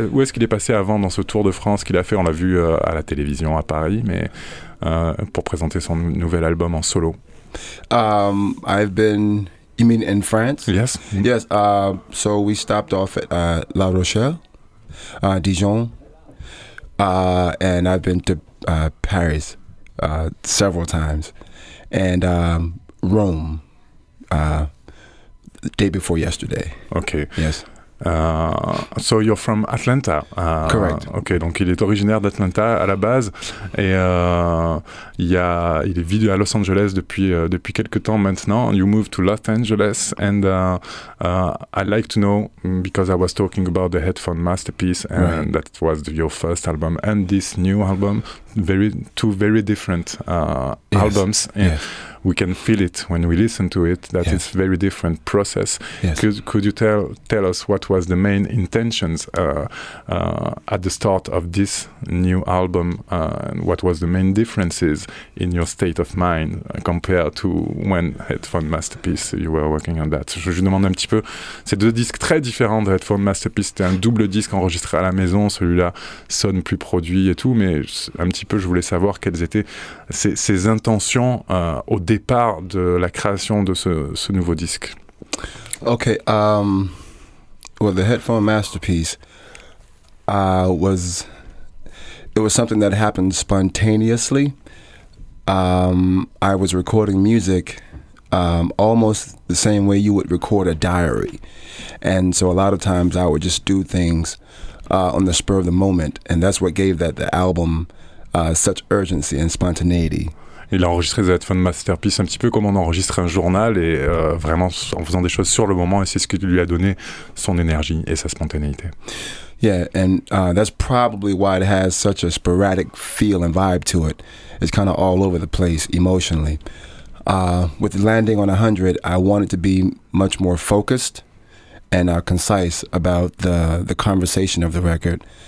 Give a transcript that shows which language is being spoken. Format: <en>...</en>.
<fr>Où est-ce qu'il est passé avant dans ce tour de France qu'il a fait? On l'a vu à la télévision à Paris, mais pour présenter son nouvel album en solo.</fr> <en>I've been, you mean in France? Yes. Yes, so we stopped off at La Rochelle, Dijon, and I've been to Paris several times, and Rome, the day before yesterday. Okay. Yes. So you're from Atlanta. Correct.</en> <fr>Ok, donc il est originaire d'Atlanta à la base et il vit à Los Angeles depuis quelques temps maintenant.</fr> <en>You moved to Los Angeles and I'd like to know, because I was talking about the Headphone Masterpiece and right. That was your first album and this new album, two very different yes. albums. Yes. We can feel it when we listen to it, that yes. it's very different process. Yes. Could you tell us what was the main intentions at the start of this new album? What was the main differences in your state of mind compared to when Headphone Masterpiece, you were working on that?</en> <fr>Je demande un petit peu. C'est deux disques très différents de Headphone Masterpiece. C'était un double disque enregistré à la maison. Celui-là sonne plus produit et tout. Mais un petit peu, je voulais savoir quelles étaient ses intentions au départ de la création de ce nouveau disque.</fr> <en>Okay, well, the Headphone Masterpiece was something that happened spontaneously. I was recording music almost the same way you would record a diary, and so a lot of times I would just do things on the spur of the moment, and that's what gave the album such urgency and spontaneity.</en> <fr>Il a enregistré The Headphone Masterpiece un petit peu comme on enregistre un journal et vraiment en faisant des choses sur le moment, et c'est ce qui lui a donné son énergie et sa spontanéité.</fr> <en>Yeah, and that's probably why it has such a sporadic feel and vibe to it. It's kind of all over the place emotionally. With Landing on 100, I wanted to be much more focused and concise about the conversation of the record.</en>